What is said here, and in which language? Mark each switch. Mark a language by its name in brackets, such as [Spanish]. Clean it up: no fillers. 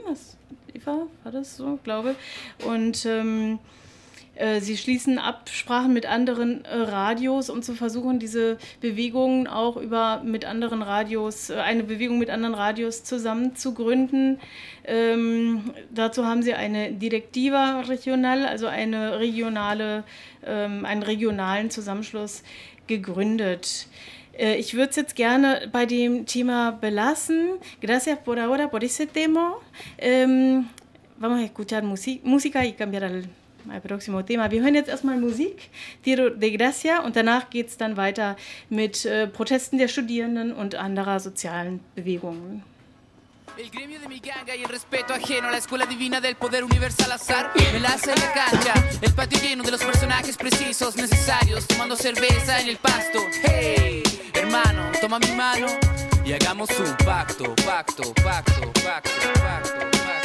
[German] Das, Eva, war das so, glaube ich. Und Sie schließen Absprachen mit anderen Radios, um zu versuchen, diese Bewegungen auch über mit anderen Radios, eine Bewegung mit anderen Radios zusammen zu gründen. Dazu haben Sie eine Directiva Regional, also eine regionale, einen regionalen Zusammenschluss gegründet. Ich würde es jetzt gerne bei dem Thema belassen. [Spanish] Gracias por ahora, por ese tema. Vamos a escuchar música y cambiar al [German] mein [Spanish] próximo [German] Thema. Wir hören jetzt erstmal Musik, Tiro de Gracia, und danach geht es dann weiter mit Protesten der Studierenden und anderer sozialen Bewegungen. [Spanish] El gremio de mi ganga y el respeto ajeno a la escuela divina del poder universal azar. Me la hace la cancha, el patio lleno de los personajes precisos, necesarios, tomando cerveza en el pasto. Hey, hermano, toma mi mano y hagamos un pacto, pacto, pacto, pacto, pacto.